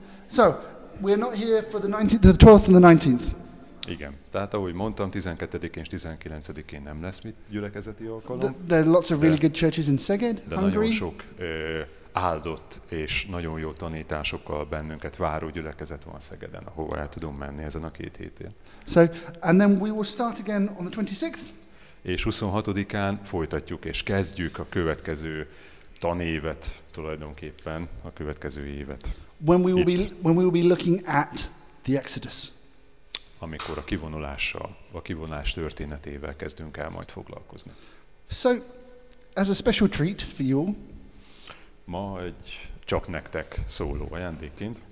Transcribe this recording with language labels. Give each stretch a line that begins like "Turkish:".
English: So, we're not here for the 19th, the 12th and the 19th.
Hungarian: Igen. Tehát, ahogy mondtam, 12-én és 19-én nem lesz mit gyülekezeti alkalom.
English: There are lots of really good churches in Szeged, Hungary.
Hungarian: Nagyon sok áldott és nagyon jó tanításokkal bennünket váró gyülekezet van Szegeden, ahova el tudunk menni ezen a 2 hétén.
English: So, and then we will start again on the 26th.
Hungarian: és 26-án folytatjuk és kezdjük a következő tanévet, tulajdonképpen a következő évet.
English: When we will be looking at the Exodus.
Hungarian: Amikor a kivonulással, a kivonás történetével kezdünk el majd foglalkozni.
English: So, as a special treat for you.
Hungarian: Ma egy csak nektek szóló ajándékként.